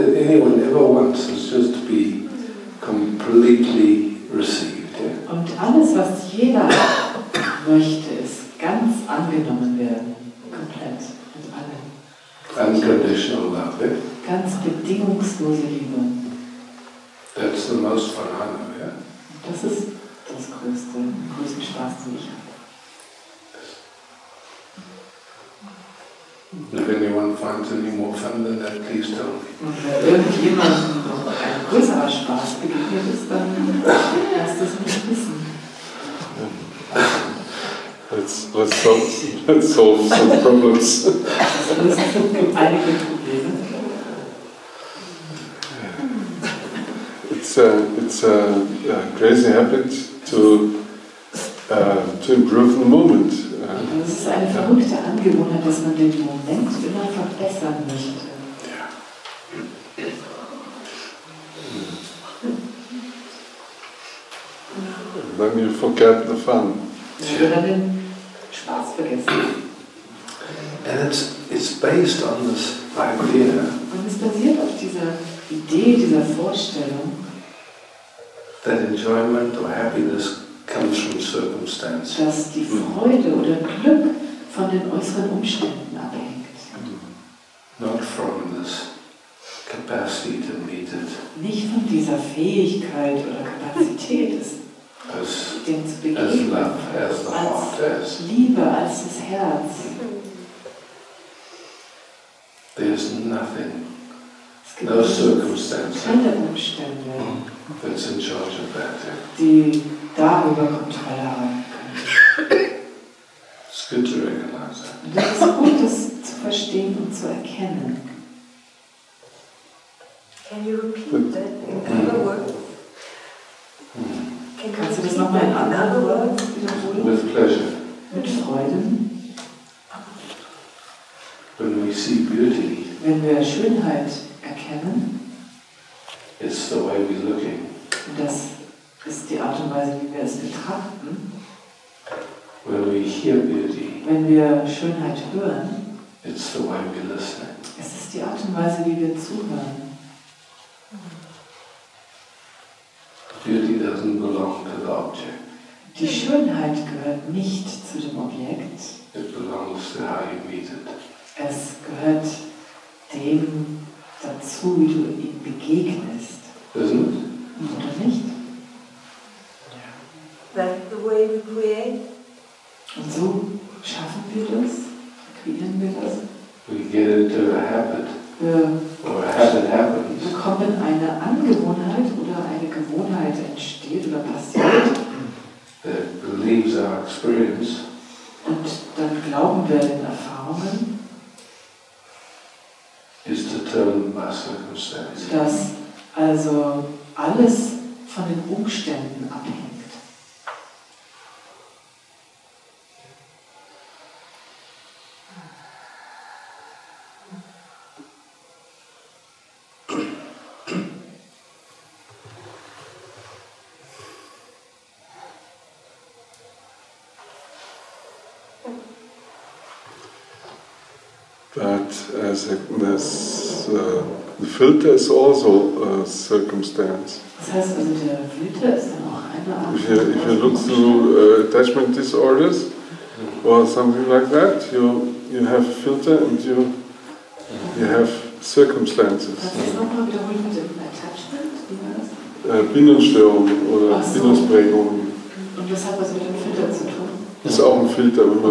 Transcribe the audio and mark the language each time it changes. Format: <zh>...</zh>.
<en>Anyone ever wants is just to be completely received. Yeah?</en> <de>Und alles, was jeder möchte, ist ganz angenommen werden, komplett mit allen.</de> <en>Unconditional love, yeah?</en> <de>Ganz bedingungslose Liebe.</de> <en>That's the most fun, yeah?</en> <de>Das ist das größte, den größten Spaß, den ich habe.</de> <en>If anyone finds any more fun than that, please tell me.</en> <de>Und wenn irgendjemand noch ein größerer Spaß begegnet ist, dann lass das mich wissen.</de> <en>Let's solve some problems.</en> <de>Das sind einige Probleme.</de> <en>It's a crazy habit to improve the moment.</en> <de>Das ist eine verrückte Angewohnheit, dass man den Moment immer verbessern möchte.</de> <en>Ja. Then you forget the fun.</en> <de>Ja, dann den Spaß vergessen.</de> <en>And it's based on this idea.</en> <de>Und es basiert auf dieser Idee, dieser Vorstellung,</de> <en>that enjoyment or happiness comes from circumstances.</en> <de>Dass die Freude oder Glück von den äußeren Umständen abhängt.</de> <en>Not from this capacity to meet it.</en> <de>Nicht von dieser Fähigkeit oder Kapazität, dem zu begegnen.</de> <en>As love, as the heart,</en> <de>als Liebe, als das Herz.</de> <en>There's nothing. No circumstances.</en> <de>Keine Umstände.</de> <en>That's in charge of that.</en> <de>Die darüber Kontrolle haben können.</de> <en>It's good to recognize that.</en> <de>Das ist gut, das zu verstehen und zu erkennen.</de> <en>Can you repeat that in other words?</en> <de>Kannst du das nochmal in anderen Worten wiederholen?</de> <en>With pleasure.</en> <de>Mit Freude.</de> <en>When we see beauty.</en> <de>Wenn wir Schönheit erkennen.</de> <en>It's the way we're looking.</en> <de>Das ist die Art und Weise, wie wir es betrachten.</de> <en>When we hear beauty.</en> <de>Wenn wir Schönheit hören.</de> <en>It's the way we listen.</en> <de>Es ist die Art und Weise, wie wir zuhören.</de> <en>Beauty doesn't belong to the object.</en> <de>Die Schönheit gehört nicht zu dem Objekt.</de> <en>It belongs to how you meet it.</en> <de>Es gehört dem dazu, wie du ihm begegnest.</de> <en>Isn't it?</en> <de>Oder nicht?</de> <en>That's the way we create.</en> <de>Und so schaffen wir das, kreieren wir das.</de> <en>We get into a habit. Or a habit happens.</en> <de>Wir bekommen eine Angewohnheit oder eine Gewohnheit entsteht oder passiert.</de> <en>That believes our experience.</en> <de>Und dann glauben wir den Erfahrungen.</de> <en>Is determined by circumstances.</en> <de>Dass Also alles von den Umständen abhängt.</de> <en>But as it is, the filter is also a circumstance.</en> <de>Das heißt also, der Filter ist dann auch eine Art.</de> <en>If you look through attachment disorders or something like that, you have a filter and you have circumstances.</en> <de>Was ist nochmal wiederholt mit dem Attachment? Bindungsstörungen oder Bindungsprägungen. Und was hat das mit dem Filter zu tun? Ist auch ein Filter, wenn man</de>